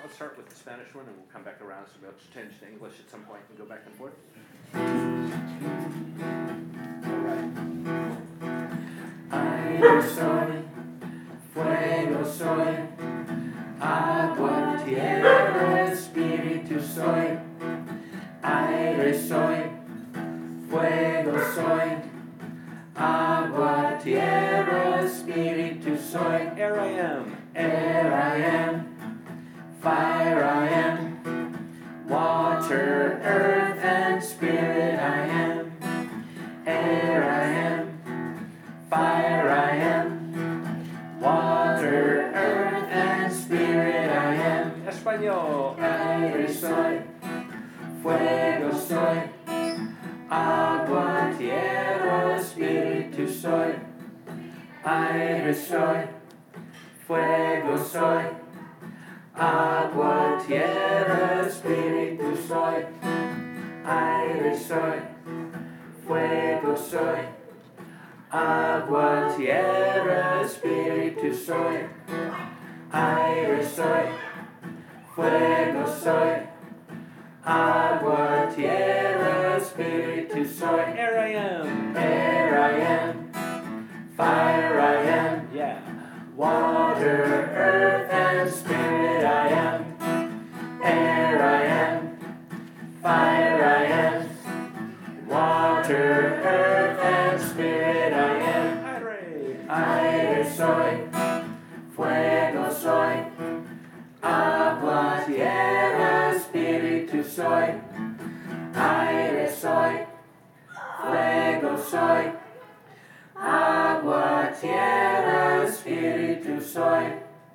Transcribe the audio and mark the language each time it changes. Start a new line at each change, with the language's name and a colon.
English: Let's start with the Spanish one, and we'll come back around. So we'll change to English at some point and go back and forth.
Spanish: Aire soy, fuego soy, agua, tierra, espíritu soy. Aire soy, fuego soy, agua, tierra, espíritu soy.
English: Air I am. Air I am, fire I am, water, earth, and spirit I am. Air I am, fire I am, water, earth, and spirit I am.
Spanish: Español. Aire soy, fuego soy, agua, tierra, espíritu soy. Aire soy, fuego soy, agua, tierra, espíritu soy. Aire soy, fuego soy, agua, tierra, espíritu soy. Aire soy, fuego soy, agua, tierra, espíritu soy.
English: Air I am. Air I am, fire I am. Yeah. Water, earth, and spirit I am. Air I am, fire I am. Water, earth, and spirit I am.
Spanish: Aire soy, fuego soy, agua, tierra, espíritu soy. Aire soy, fuego soy, agua, tierra, espíritu soy.